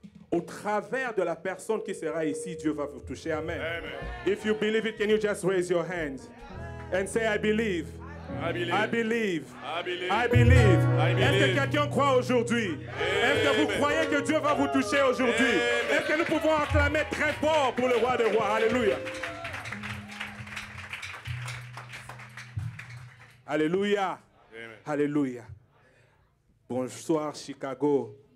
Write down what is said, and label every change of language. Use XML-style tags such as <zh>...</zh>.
<fr>Au travers de la personne qui sera ici, Dieu va vous toucher. Amen. Amen.</fr> <en>If you believe it, can you just raise your hand and say, I believe. I believe.</en> <fr>Est-ce que quelqu'un croit aujourd'hui? Amen. Est-ce que vous croyez que Dieu va vous toucher aujourd'hui? Amen. Est-ce que nous pouvons acclamer très fort pour le roi des rois? Alléluia. Alléluia. Alléluia. Bonsoir, Chicago.</fr>